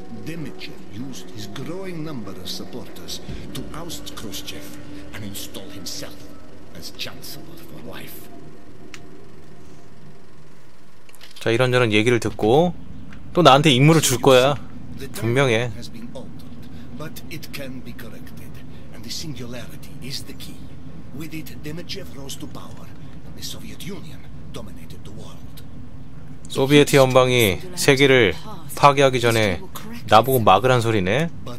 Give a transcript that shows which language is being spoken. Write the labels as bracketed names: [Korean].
[English] Demichev used his growing number of supporters to oust Khrushchev and install himself as chancellor for life. [Korean] 자, 이런저런 얘기를 듣고 또 나한테 임무를 줄 거야. 분명해. [English] But it can be corrected and the singularity is the key. With it Demichev rose to power and the Soviet Union dominated the world. [Korean] 소비에트 연방이 세계를 파괴하기 전에 나보고 막으란 소리네.